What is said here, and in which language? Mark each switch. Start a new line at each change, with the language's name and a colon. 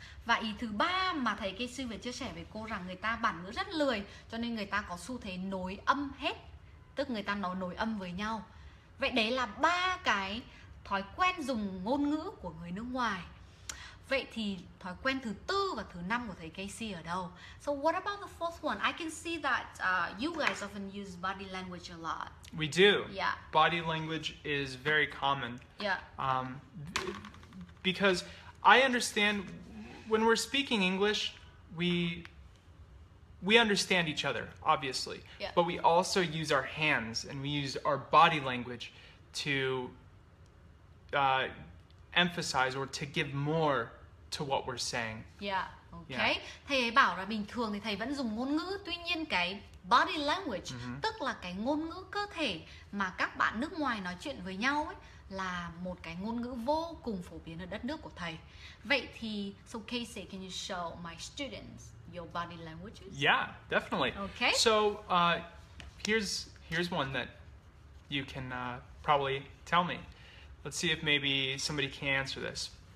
Vietnamese: Và ý thứ ba mà thầy kê sư vừa chia sẻ với cô rằng người ta bản ngữ rất lười cho nên người ta có xu thế nối âm hết, tức người ta nói nối âm với nhau. Vậy đấy là ba cái thói quen dùng ngôn ngữ của người nước ngoài. Vậy thì thói quen thứ tư và thứ năm của thầy Casey ở đâu?
English: So what about the fourth one? I can see that you guys often use body language a lot. We do. Yeah. Body language is very common. Yeah. Because I understand when we're speaking English, we understand each other, obviously. Yeah. But we also use our hands and we use our body language to emphasize or to give more to what we're saying. Yeah. Okay. Yeah.
Vietnamese: Thầy ấy bảo là bình thường thì thầy vẫn dùng ngôn ngữ, tuy nhiên cái body language, tức là cái ngôn ngữ cơ thể mà các bạn nước ngoài nói chuyện với nhau ấy, là một cái ngôn ngữ vô cùng phổ biến ở đất nước của thầy. Vậy thì,
English: so Casey, can you show my students your body languages? Yeah, definitely. Okay. So, here's one that you can probably tell me. Let's see if maybe somebody can answer this.